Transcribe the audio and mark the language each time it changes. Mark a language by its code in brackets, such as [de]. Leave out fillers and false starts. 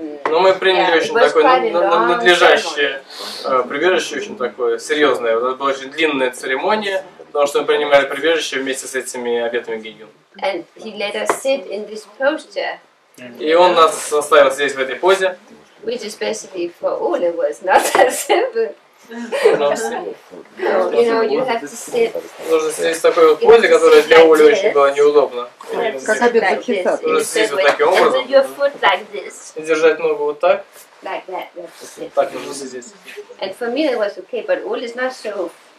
[ru] Но мы приняли очень такое надлежащее прибежище, очень такое серьезное. Это была очень длинная церемония, потому что мы принимали прибежище вместе с этими обетами Гиньон. [en] And he let us sit in this posture. [ru] И он нас оставил здесь в этой позе. [en] Which especially for Ole was not that simple. [ru] Нужно сидеть в такой вот позе, которая для Оли очень была неудобна. Как обедать? Нужно сидеть вот таким образом. И держать ногу вот так. [en] Like that. [ru] Так нужно сидеть. [en] And for me it was okay, but Ole is not so